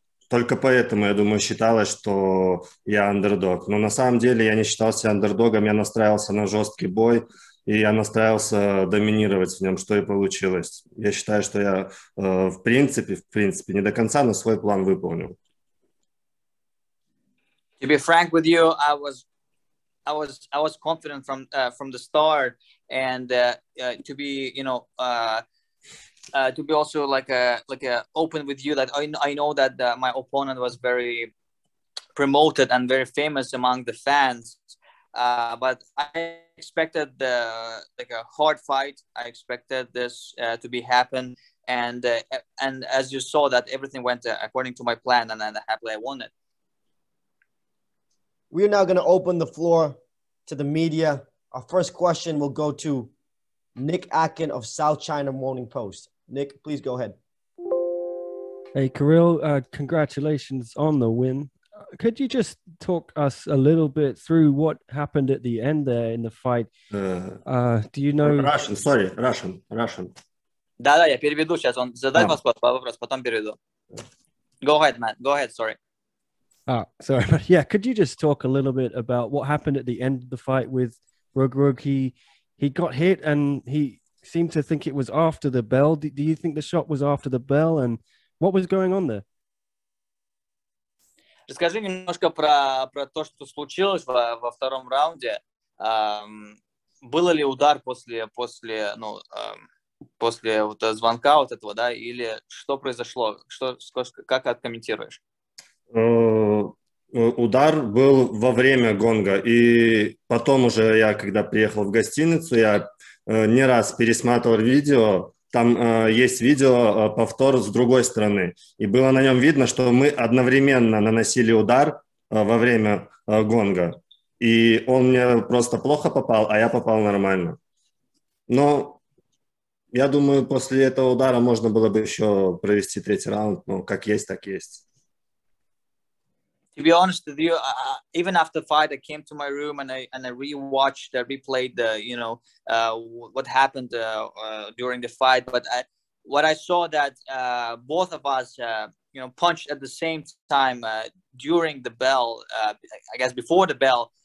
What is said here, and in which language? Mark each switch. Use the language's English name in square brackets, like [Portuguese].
[Russian] Только поэтому, я думаю, считалось, что я андердог. Но на самом деле я не считал себя андердогом, я настраивался на жесткий бой. И я настраивался доминировать в нем, что и получилось. Я считаю, что я в принципе, не до конца, но свой план выполнил. [English] To be frank with you, I was confident from the start, and to be, you know, to be also like a open with you that I know that my opponent was very promoted and very famous among the fans. But I expected like a hard fight. I expected this to be happen, and as you saw, that everything went according to my plan, and then happily I won it. We are now going to open the floor to the media. Our first question will go to Nick Atkin of South China Morning Post. Nick, please go ahead. Hey, Kirill, congratulations on the win. Could you just talk us a little bit through what happened at the end there in the fight? Do you know Russian? Sorry, Russian. [Russian] Да, да, я переведу сейчас. Он задай вас вопрос, потом переведу. [English] Go ahead, Matt. Go ahead. Sorry. Sorry, but yeah, could you just talk a little bit about what happened at the end of the fight with Rug Rug? He got hit and he seemed to think it was after the bell. Do you think the shot was after the bell? And what was going on there? [Russian] Расскажи немножко про то, что случилось во втором раунде. Было ли удар после вот звонка вот этого, да, или что произошло? Как откомментируешь? Удар был во время гонга, и потом уже я, когда приехал в гостиницу, я не раз пересматривал видео. Там есть видео, повтор с другой стороны. И было на нем видно, что мы одновременно наносили удар во время гонга. И он мне просто плохо попал, а я попал нормально. Но я думаю, после этого удара можно было бы еще провести третий раунд. Ну, как есть, так есть. [English] To be honest with you, even after the fight, I came to my room and I rewatched, replayed the, you know, what happened during the fight. But what I saw that both of us, you know, punched at the same time during the bell, I guess before the bell.